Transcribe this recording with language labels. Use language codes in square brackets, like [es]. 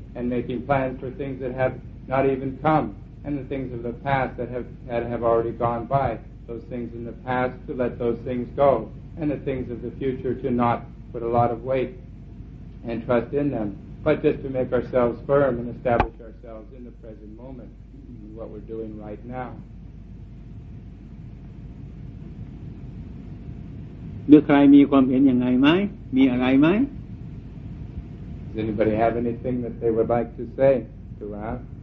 [en] and making plans for things that have not even come, and the things of the past that have already gone by, those things in the past, to let those things go, and the things of the future to not put a lot of weight and trust in them, but just to make ourselves firm and establish ourselves in the present moment, what we're doing right now. [th] หรือใครมีความเห็นยังไงไหมมีอะไรไหม [en] Does anybody have anything that they would like to say to us?